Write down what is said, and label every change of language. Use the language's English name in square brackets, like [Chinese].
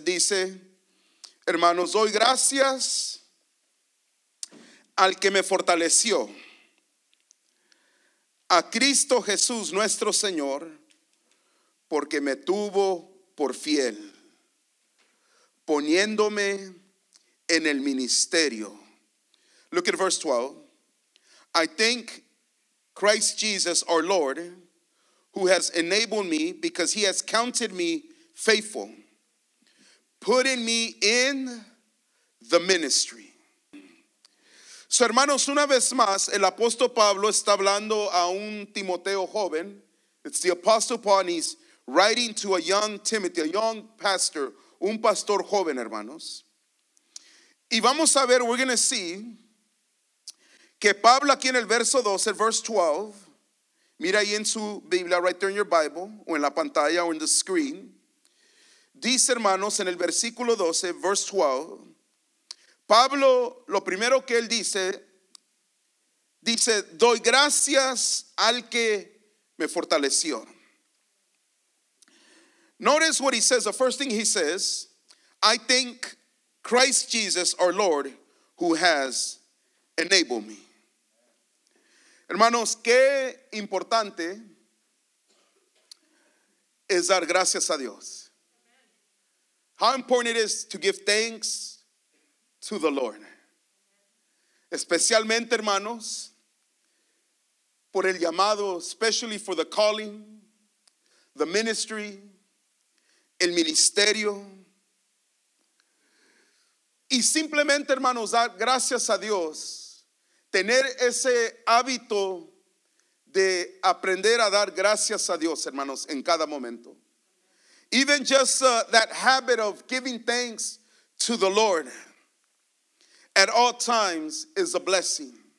[Spanish] Dice, hermanos, doy gracias al que me fortaleció, a Cristo Jesús nuestro Señor, porque me tuvo por fiel, poniéndome en el ministerio. [English] Look at verse 12. I thank Christ Jesus our Lord, who has enabled me, because he has counted me faithful, putting me in the ministry. [Spanish] So, hermanos, una vez más, el apóstol Pablo está hablando a un Timoteo joven. [English] It's the apostle Paul, and he's writing to a young Timothy, a young pastor, [Spanish] un pastor joven, hermanos. Y vamos a ver, [English] we're going to see, [Spanish] que Pablo aquí en el verso 12, el verse 12, mira ahí en su Biblia, [English] right there in your Bible, [Spanish] o en la pantalla, o en [English] the screen, [Spanish] dice, hermanos, en el versículo 12, verse 12, Pablo, lo primero que él dice, doy gracias al que me fortaleció. [English] Notice what he says, the first thing he says, I thank Christ Jesus, our Lord, who has enabled me. [Spanish] Hermanos, qué importante es dar gracias a Dios. [English] How important it is to give thanks to the Lord. [Spanish] Especialmente, hermanos, por el llamado, [English] especially for the calling, the ministry, [Spanish] el ministerio. Y simplemente, hermanos, dar gracias a Dios, tener ese hábito de aprender a dar gracias a Dios, hermanos, en cada momento. [English] Even just that habit of giving thanks to the Lord at all times is a blessing.